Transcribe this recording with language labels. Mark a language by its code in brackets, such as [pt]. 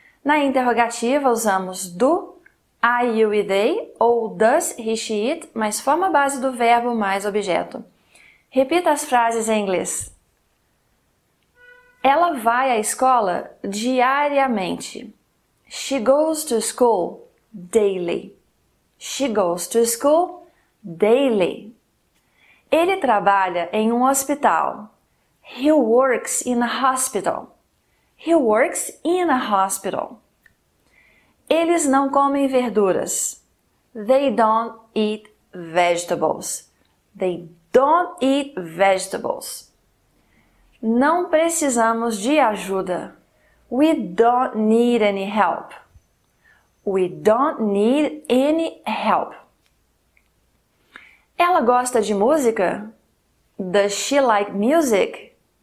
[pt] Na interrogativa, usamos do, I, you, we, they ou does he, she, it mais forma base do verbo mais objeto. Repita as frases em inglês. Ela vai à escola diariamente. [en] She goes to school daily. She goes to school daily. [pt] Ele trabalha em um hospital. He works in a hospital. [en] He works in a hospital. Eles não comem verduras. They don't eat vegetables. They don't eat vegetables. [pt] Não precisamos de ajuda. [en] We don't need any help. We don't need any help. [pt] Ela gosta de música? Does she like music?